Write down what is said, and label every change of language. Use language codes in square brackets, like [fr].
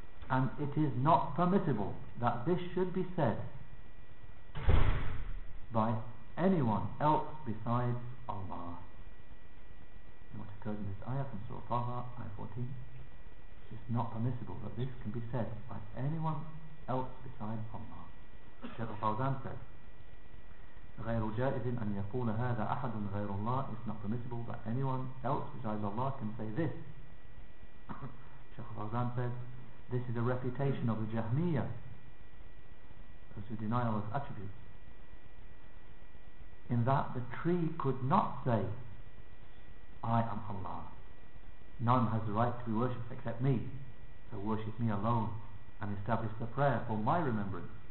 [en] And it is not permissible that this should be said by anyone else besides Allah. And what occurs in this ayah from Surah Taha, ayah 14, it's not permissible that this can be said by anyone else besides Allah. Shaykh al-Fawzan said, [ar] غَيْرُ جَائِزٍ أَن يَقُولَ هَذَا أَحَدٌ غَيْرُ اللَّهِ. [en] It's not permissible that anyone else besides Allah can say this. Shaykh al-Fawzan said, this is a refutation of the Jahmiyya, those who deny Allah's attributes, in that the tree could not say, I am Allah, none has the right to be worshipped except me, so worship me alone and establish the prayer for my remembrance.